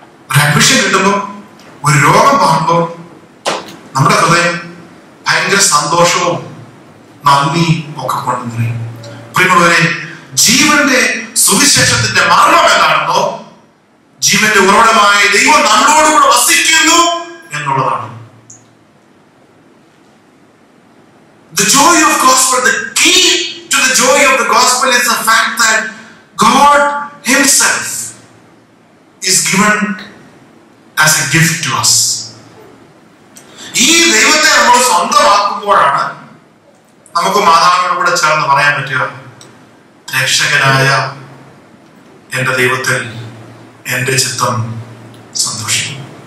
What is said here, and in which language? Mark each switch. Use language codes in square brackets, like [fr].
[ml] ഒരു അഡ്മിഷൻ കിട്ടുമ്പോ, ഒരു രോഗം പോകുമ്പോ നമ്മുടെ ഹൃദയം ഭയങ്കര സന്തോഷവും നന്ദി ഒക്കെ കൊണ്ടു നിറയും. പ്രിയമുള്ളവരെ, ജീവന്റെ സുവിശേഷത്തിന്റെ മർമ്മം എന്താണെന്നോ, ജീവന്റെ ഉറവിടമായ ദൈവം നമ്മളോടുകൂടെ വസിക്കുന്നു എന്നുള്ളതാണ്. [en] The joy of gospel, the key to the joy of the gospel is the fact that God himself is given as a gift to us. [ml] ഈ ദൈവത്തെ നമ്മൾ സ്വന്തമാക്കുമ്പോഴാണ് നമുക്ക് മാതാവിനോട് ചേർന്ന് പറയാൻ പറ്റുക, രക്ഷകനായ എന്റെ ദൈവത്തിൽ എന്റെ ചിത്തം സന്തോഷിക്കും.